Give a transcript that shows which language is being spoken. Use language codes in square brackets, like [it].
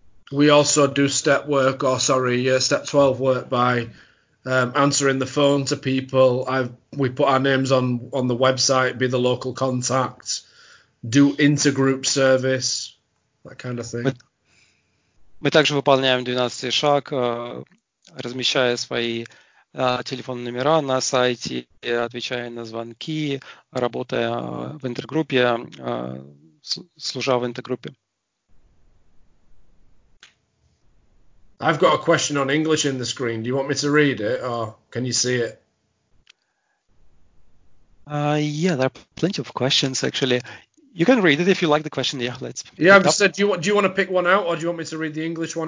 [en] We also do step work, or sorry, step 12 work by answering the phone to people. We put our names on the website, be the local contact, do intergroup service, that kind of thing. [ru] Мы также выполняем 12-й шаг, размещая свои телефонные номера на сайте, отвечая на звонки, работая в интергруппе, служа в интергруппе. [en] I've got a question on English in the screen. Do you want me to read it or can you see it? Yeah, there are plenty of questions actually. You can read it if you like the question. Yeah, let's. Yeah, I've said, do you want to pick one out or do you want me to read the English one?